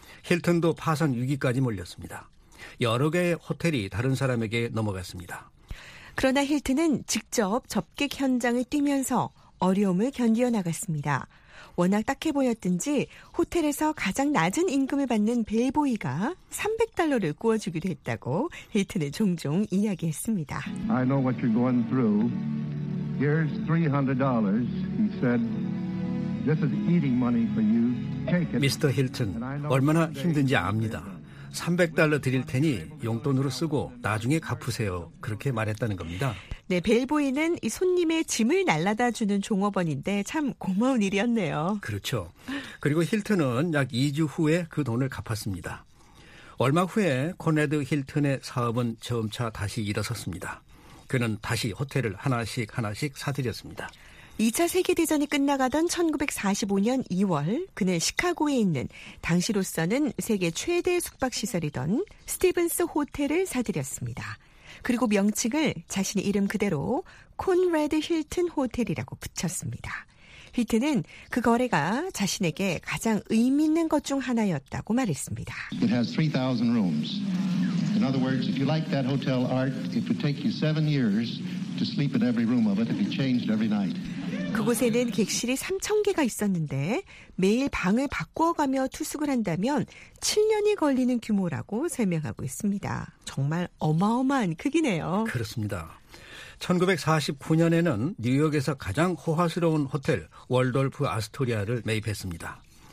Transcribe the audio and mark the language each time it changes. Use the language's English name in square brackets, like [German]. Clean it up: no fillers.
[Korean] 힐튼도 파산 위기까지 몰렸습니다. 여러 개의 호텔이 다른 사람에게 넘어갔습니다. 그러나 힐튼은 직접 접객 현장을 뛰면서 어려움을 견디어 나갔습니다. 워낙 딱해 보였든지 호텔에서 가장 낮은 임금을 받는 베이보이가 $300를 구워주기로 했다고 힐튼은 종종 이야기했습니다. [English] I know what you're going through. Here's $300, he said. This is eating money for you. Take it. [Korean] 미스터 힐튼, 얼마나 힘든지 압니다. 300달러 드릴 테니 용돈으로 쓰고 나중에 갚으세요. 그렇게 말했다는 겁니다. 네, 벨보이는 이 손님의 짐을 날라다 주는 종업원인데 참 고마운 일이었네요. 그렇죠. 그리고 힐튼은 약 2주 후에 그 돈을 갚았습니다. 얼마 후에 코네드 힐튼의 사업은 점차 다시 일어섰습니다. 그는 다시 호텔을 하나씩 하나씩 사들였습니다. 2차 세계대전이 끝나가던 1945년 2월, 그는 시카고에 있는 당시로서는 세계 최대 숙박시설이던 스티븐스 호텔을 사들였습니다. 그리고 명칭을 자신의 이름 그대로 콘래드 힐튼 호텔이라고 붙였습니다. 힐튼은 그 거래가 자신에게 가장 의미 있는 것 중 하나였다고 말했습니다. [English] It has 3,000 rooms. In other words, if you like that hotel art, it would take you 7 years to sleep in every room of it if you changed every night. [Korean] 그곳에는 객실이 3,000개가 있었는데 매일 방을 바꿔가며 투숙을 한다면 7년이 걸리는 규모라고 설명하고 있습니다. 정말 어마어마한 크기네요. 그렇습니다. 1949년에는 뉴욕에서 가장 호화스러운 호텔 월돌프 아스토리아를 매입했습니다.